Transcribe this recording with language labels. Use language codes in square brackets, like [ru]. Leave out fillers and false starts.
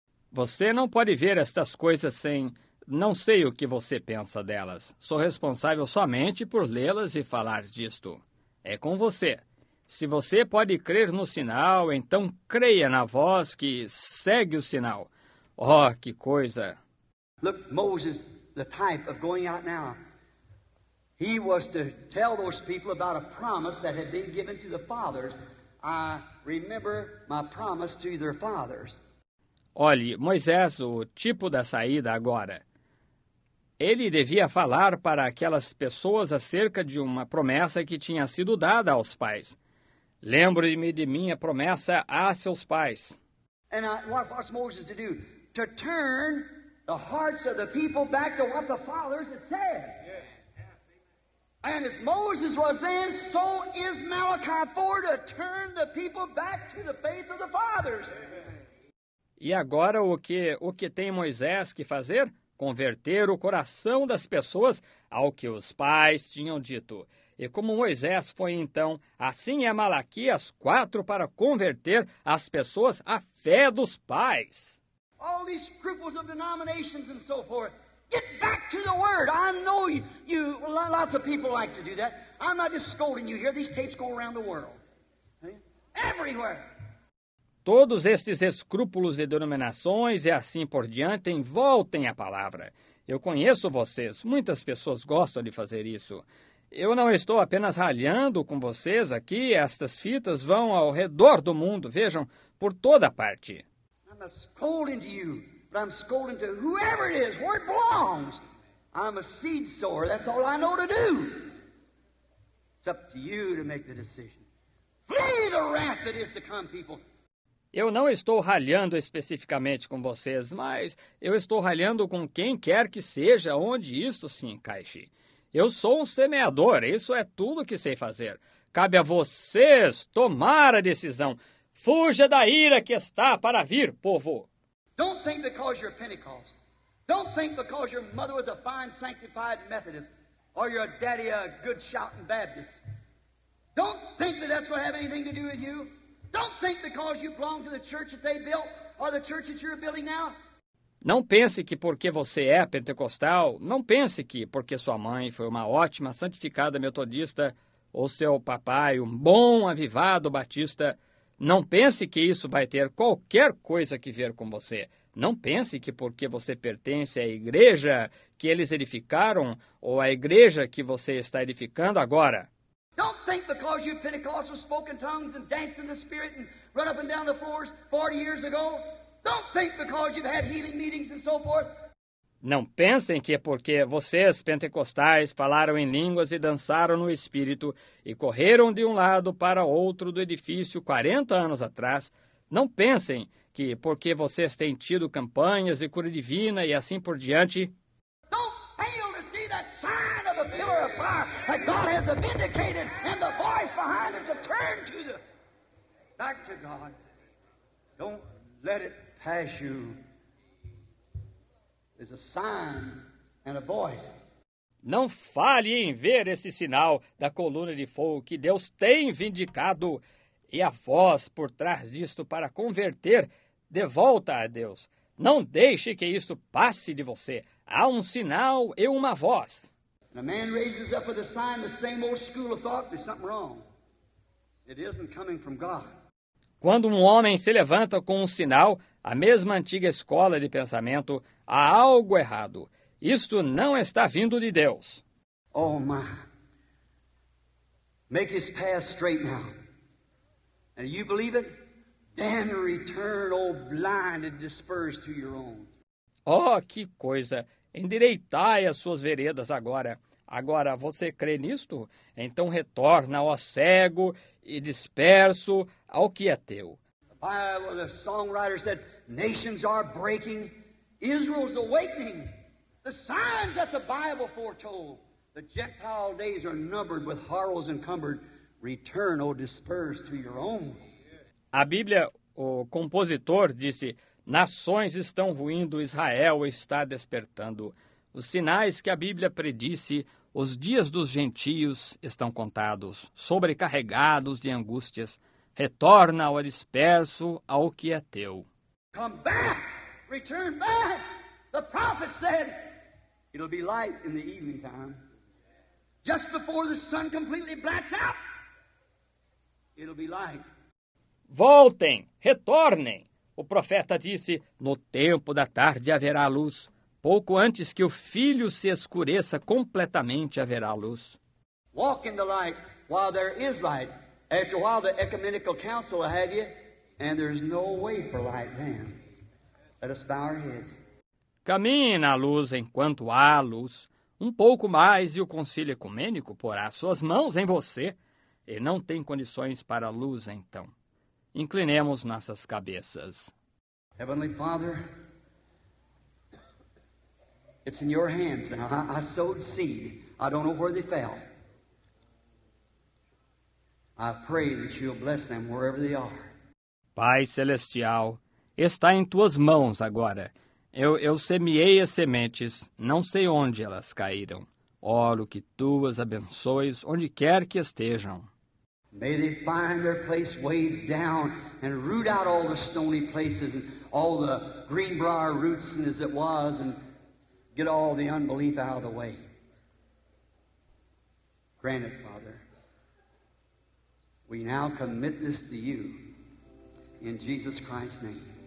[pt] Você não pode ver estas coisas sem... Não sei o que você pensa delas. Sou responsável somente por lê-las e falar disto. É com você. Se você pode crer no sinal, então creia na voz que segue o sinal. Oh, que coisa! [en] Look, Moses, the type of going out now. He was to tell those people about a promise that had been given to the fathers. I remember my promise to their fathers. [pt] Olhe, Moisés, o tipo da saída agora. Ele devia falar para aquelas pessoas acerca de uma promessa que tinha sido dada aos pais. Lembre-me de minha promessa a seus pais. [en] And what was Moses to do? To turn the hearts of the people back to what the fathers had said. And as Moses was saying, so is Malachi 4, to turn the people back to the faith of the fathers. [pt] E agora o que tem Moisés que fazer? Converter o coração das pessoas ao que os pais tinham dito. E como Moisés foi então, assim é Malaquias 4 para converter as pessoas à fé dos pais. [en] All these scruples of denominations and so forth. Get back to the word. I know you lots of people like to do that. I'm not just scolding you here. These tapes go around the world. Everywhere. [pt] Todos estes escrúpulos e denominações e assim por diante, voltem à palavra. Eu conheço vocês. Muitas pessoas gostam de fazer isso. Eu não estou apenas ralhando com vocês aqui. Estas fitas vão ao redor do mundo, vejam, por toda a parte. [en] I'm not scolding to you, but I'm scolding to whoever it is, where it belongs. I'm a seed sower, that's all I know to do. It's up to you to make the decision. Flee the wrath that is to come, people. [pt] Eu não estou ralhando especificamente com vocês, mas eu estou ralhando com quem quer que seja onde isto se encaixe. Eu sou um semeador, isso é tudo que sei fazer. Cabe a vocês tomar a decisão. Fuja da ira que está para vir, povo. [en] Don't think because you're Pentecost. Don't think because your mother was a fine sanctified Methodist or your daddy a good shouting Baptist. Don't think that that's going to have anything to do with you. Don't think because you belong to the church that they built or the church that you're building now. [pt] Não pense que porque você é pentecostal, não pense que porque sua mãe foi uma ótima santificada metodista ou seu papai um bom avivado batista, não pense que isso vai ter qualquer coisa que ver com você. Não pense que porque você pertence à igreja que eles edificaram ou à igreja que você está edificando agora. [en] Don't think because you Pentecostals spoke in tongues and danced in the Spirit and run up and down the floors 40 years ago. Don't think because you've had healing meetings and so forth. [pt] Não pensem que porque vocês, pentecostais, falaram em línguas e dançaram no Espírito e correram de um lado para outro do edifício 40 anos atrás, não pensem que porque vocês têm tido campanhas e cura divina e assim por diante... [en] Don't fail to see that sign of the pillar of fire that God has vindicated and the voice behind it to turn to the... Back to God. Don't let it pass you. There's a sign and a voice. [pt] Não fale em ver esse sinal da coluna de fogo que Deus tem vindicado e a voz por trás disto para converter de volta a Deus. Não deixe que isto passe de você. Há um sinal e uma voz. [en] A man raises up with a sign the same old school of thought, there's something wrong. It isn't coming from God. [pt] Quando um homem se levanta com um sinal, a mesma antiga escola de pensamento, há algo errado. Isto não está vindo de Deus. [en] Oh, my. Make his path straight now. And you believe it? Then return, oh, blind and dispersed to your own. [pt] Oh, que coisa. Endireitai as suas veredas agora. Agora, você crê nisto? Então retorna, ó cego e disperso, ao que é teu. [en] The songwriter said, nations are breaking, Israel's awakening. The signs that the Bible foretold, the Gentile days are numbered with horrors encumbered. Return, O dispersed, to your own. [pt] A Bíblia, o compositor, disse, nações estão ruindo, Israel está despertando. Os sinais que a Bíblia predisse, os dias dos gentios estão contados, sobrecarregados de angústias. Retorna ao disperso, ao que é teu. [en] Come back return back. The prophet said, it'll be light in the evening time. Just before the sun completely blacks out, it'll be light. [pt] Voltem, retornem. O profeta disse, no tempo da tarde haverá luz. Pouco antes que o filho se escureça completamente, haverá luz. [en] Walk in the light while there is light. After a while, the ecumenical council will have you, and there's no way for light then. Let us bow our heads. [pt] Caminhe na luz enquanto há luz. Um pouco mais e o concílio ecumênico porá suas mãos em você. E não tem condições para a luz então. Inclinemos nossas cabeças. [en] Heavenly Father, it's in your hands now. I sowed seed. I don't know where they fell. I pray that you'll bless them wherever they are. [pt] Pai Celestial, está em tuas mãos agora. Eu semeei as sementes, não sei onde elas caíram. Oro que tu as abençoes onde quer que estejam. [en] May they find their place way down and root out all the stony places and all the greenbrier roots and as it was and get all the unbelief out of the way. Granted, Father, we now commit this to you in Jesus Christ's name.